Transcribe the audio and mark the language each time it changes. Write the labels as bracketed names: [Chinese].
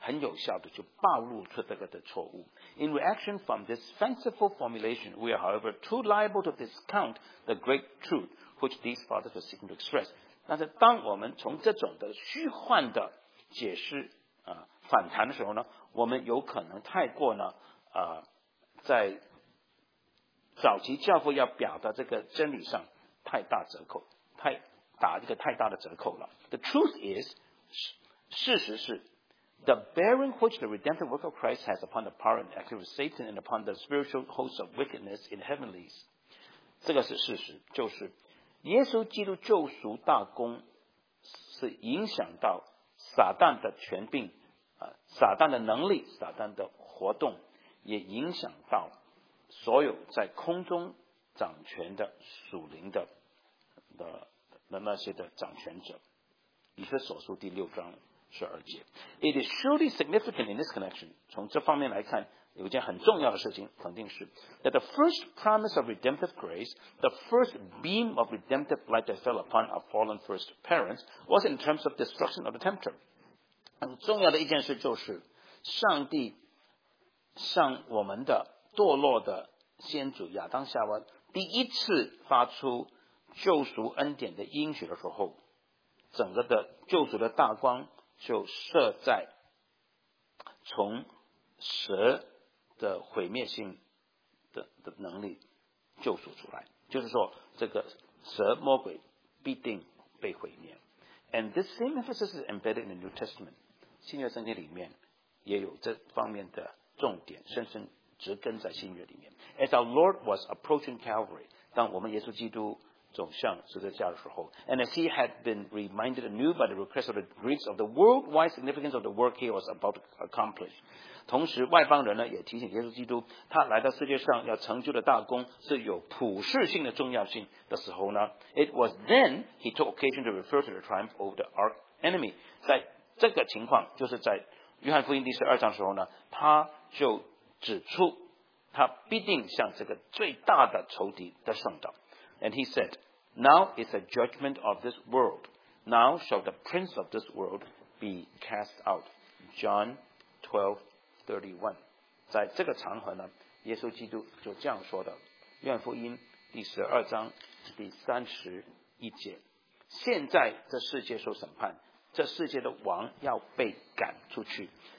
[Chinese] 安瑟伦在他的划时代的著作里面，很有效的就暴露出这个的错误. [English] In reaction from this fanciful formulation, we are, however, too liable to discount the great truth which these fathers were seeking to express. [Chinese] 但是当我们从这种的虚幻的 解释反弹的时候呢，我们有可能太过呢，在早期教父要表达这个真理上太大折扣，太打一个太大的折扣了。 [English] The truth is, [Chinese] 事实是 [English] the bearing which the redemptive work of Christ has upon the power and activity of Satan and upon the spiritual hosts of wickedness in heavenlies. [Chinese] 这个是事实，就是耶稣基督救赎大功是影响到撒旦的权柄，撒旦的能力，撒旦的活动，也影响到所有在空中掌权的属灵的那些的掌权者。以弗所书第六章十二节。 [English] It is surely significant in this connection. [Chinese] 从这方面来看，有一件很重要的事情，肯定是 [English] that the first promise of redemptive grace, the first beam of redemptive light that fell upon our fallen first parents, was in terms of destruction of the tempter. [Chinese] 很重要的一件事就是，上帝向我们的堕落的先祖亚当夏娃第一次发出救赎恩典的应许的时候，整个的救赎的大光就射在从蛇的毁灭性 的能力救赎出来，就是说这个蛇魔鬼必定被毁灭。 [English] And this same emphasis is embedded in the New Testament. [Chinese] 新约圣经里面也有这方面的重点，深深植根在新约里面。 [English] As our Lord was approaching Calvary, [Chinese] 当我们耶稣基督走向十字架的时候， [English] and as he had been reminded anew by the request of the Greeks of the worldwide significance of the work he was about to accomplish. [Chinese] 同时外邦人呢也提醒耶稣基督他来到世界上要成就的大功是有普世性的重要性的时候呢， [English] it was then he took occasion to refer to the triumph over the arch enemy. [Chinese] 在这个情况，就是在约翰福音第十二章的时候呢，他就指出他必定向这个最大的仇敌的圣道。 [English] And he said, Now is the judgment of this world. Now shall the prince of this world be cast out. John 12:31. [Chinese] 在这个场合呢，耶稣基督就这样说的。约翰福音第十二章第三十一节。现在这世界受审判，这世界的王要被赶出去。